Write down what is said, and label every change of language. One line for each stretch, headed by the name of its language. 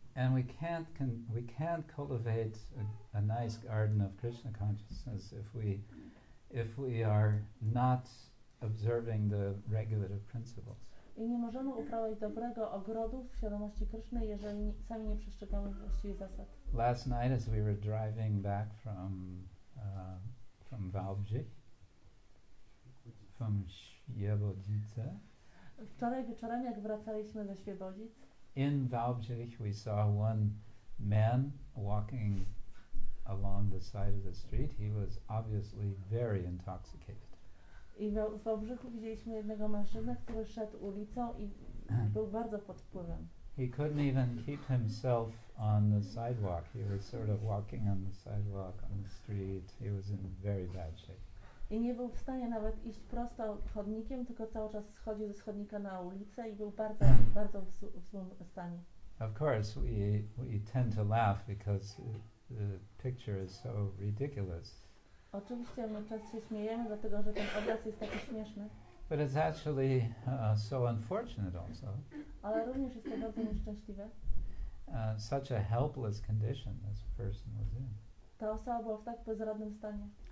English: And we can't cultivate a nice garden of Krishna consciousness if we are not observing the regulative principles.
Polish: I nie możemy uprawiać dobrego ogrodu w świadomości Kryszny, jeżeli sami nie przestrzegamy właściwych zasad.
English: Last night as we were driving back from Valbji, from Świebodzice.
Polish: Wczoraj wieczorem, jak wracaliśmy ze Świebodzic,
English: in Valbji we saw one man walking along the side of the street. He was obviously very intoxicated.
Polish: I w Wałbrzychu widzieliśmy jednego mężczyznę, który szedł ulicą i był bardzo pod wpływem.
English: He couldn't even keep himself on the sidewalk. He was sort of walking on the sidewalk, on the street. He was in very bad shape.
Polish: I nie był w stanie nawet iść prosto chodnikiem, tylko cały czas schodził ze schodnika na ulicę i był bardzo, bardzo w złym stanie.
English: Of course, we tend to laugh because the picture is so ridiculous.
Polish: Oczywiście my czas się śmiejemy, dlatego że ten obraz jest taki śmieszny.
English: But it's actually so unfortunate also.
Polish: Ale również jest to bardzo nieszczęśliwe.
English: Such a helpless condition this person was in.
Polish: Ta osoba była w tak bezradnym stanie.